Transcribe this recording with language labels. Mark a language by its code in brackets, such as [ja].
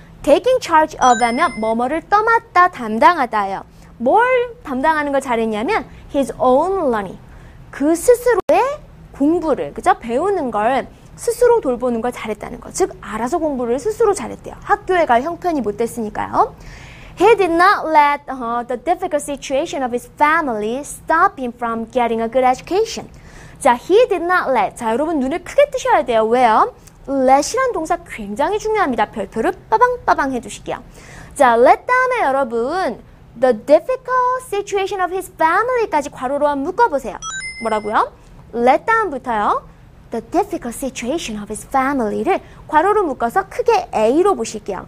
[ko] Taking charge of 하면 뭐뭐를 떠맡다, 담당하다요. 뭘 담당하는 걸 잘했냐면 [en] his own learning. [ko] 그 스스로의 공부를, 그죠? 배우는 걸 스스로 돌보는 걸 잘했다는 거. 즉, 알아서 공부를 스스로 잘했대요. 학교에 갈 형편이 못 됐으니까요. [en] He did not let the difficult situation of his family stop him from getting a good education. 자, he did not let. [ko] 자, 여러분 눈을 크게 뜨셔야 돼요. 왜요? let이란 동사 굉장히 중요합니다. 별표를 빠방빠방 해주시게요. 자, let 다음에 여러분 [en] the difficult situation of his family [ko] 까지 괄호로 한번 묶어보세요. 뭐라고요? let 다음부터요. [en] The difficult situation of his family [ko] 를 괄호로 묶어서 크게 A로 보실게요.